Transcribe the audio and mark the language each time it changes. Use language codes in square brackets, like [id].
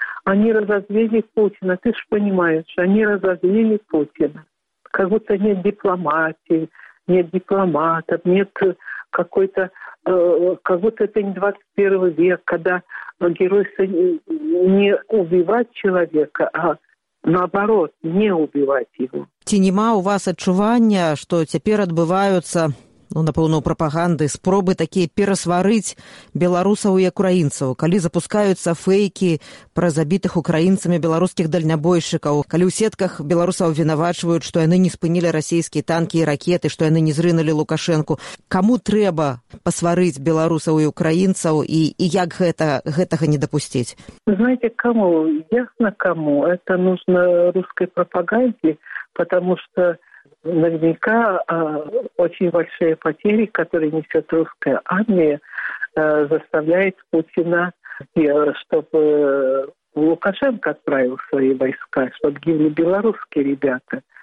[ru] Они разозлили Путина. Ты ж понимаешь, они разозлили Путина. Как будто нет дипломатии, нет дипломатов, нет какой-то... как будто это не 21 век, когда геройство не убивать человека, а наоборот, не убивать его. [be] Ці нема у вас адчування, [ru] что [be] цяпер адбываюцца, ну, напэўна, у прапаганды, спробы такія перасварыць беларусаў і украінцаў, калі запускаюцца фэйкі пра забітых украінцамі беларускіх дальнабойшчыкаў, калі ў сетках беларусаў вінавачваюць, што яны не спынілі расійскія танкі і ракеты, што яны не зрынулі Лукашэнку. Каму трэба пасварыць беларусаў і украінцаў і як гэтага не дапусціць? Знаеце, каму? Ясна каму. [ru] Это нужна [be] рускай прапагандзе, [ru] потому што наверняка очень большие потери, которые несет русская армия, заставляет Путина, чтобы Лукашенко отправил свои войска, чтобы гибли белорусские ребята.